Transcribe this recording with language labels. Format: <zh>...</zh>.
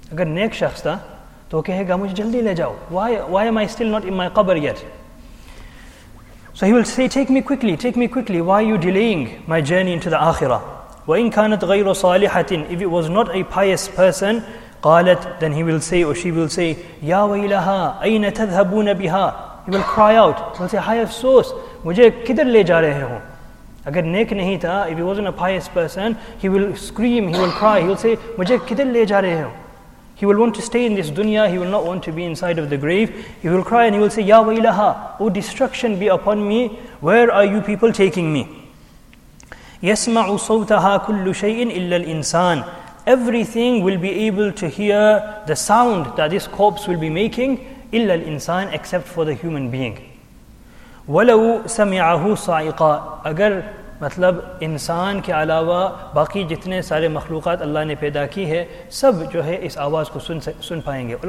<ur>اگر نیک شخص تھا تو کہے گا مجھے جلدی لے جاؤ.</ur> <en>Why am I still not in my qabr yet? So he will say, take me quickly, why are you delaying my journey into the akhirah?</en> <ar>وَإِنْ كَانَتْ غَيْرُ صَالِحَةٍ,</ar> <en>if it was not a pious person,</en> <ar>قَالَتْ,</ar> <en>then he will say or she will say,</en> <ar>يَا وَيْلَهَا أَيْنَ تَذْهَبُونَ بِهَا,</ar> <en>he will cry out, he will say, I have sos,</en> <ur>مجھے کدھر لے جا رہے ہوں. اگر نیک نہیں تھا,</ur> <en>if he wasn't a pious person, he will scream, he will cry, he will say,</en> <ur>مجھے کدھر لے جا رہے ہوں.</ur> <en>He will want to stay in this dunya, he will not want to be inside of the grave. He will cry and he will say,</en> <ar>يَا وَيْلَهَا,</ar> <en>O destruction be upon me, where are you people taking me?</en> <ar>يَسْمَعُ صَوْتَهَا كُلُّ شَيْءٍ إِلَّا الْإِنسَانِ,</ar> <en>everything will be able to hear the sound that this corpse will be making,</en> <ar>إِلَّا الْإِنسَانِ,</ar> <en>except for the human being.</en> <ar>وَلَوْ سَمِعَهُ صَعِقًا,</ar> <ur>اگر مطلب انسان کے علاوہ باقی جتنے سارے مخلوقات اللہ نے پیدا کی ہے سب جو ہے اس آواز کو سن پائیں گے.</ur>